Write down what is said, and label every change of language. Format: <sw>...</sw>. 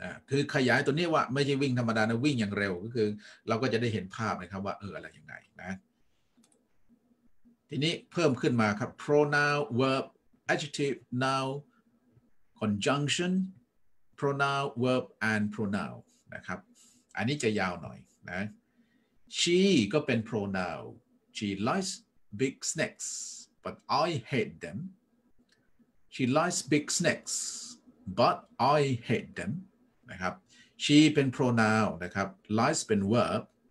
<th>คือขยายตัวนี้ว่าไม่ใช่วิ่งธรรมดานะวิ่งอย่างเร็วก็คือเราก็จะได้เห็นภาพนะครับว่าอะไรยังไงนะทีนี้เพิ่มขึ้นมาครับ</th> <en>pronoun verb adjective noun conjunction pronoun verb and pronoun</en> <th>นะครับอันนี้จะยาวหน่อยนะ She ก็เป็น pronoun.</th> <en>She likes big snacks, but I hate them. She likes big snacks, but I hate them.</en> <th>นะครับ She เป็น pronoun นะครับ</th> <en>Likes เป็น verb.</en>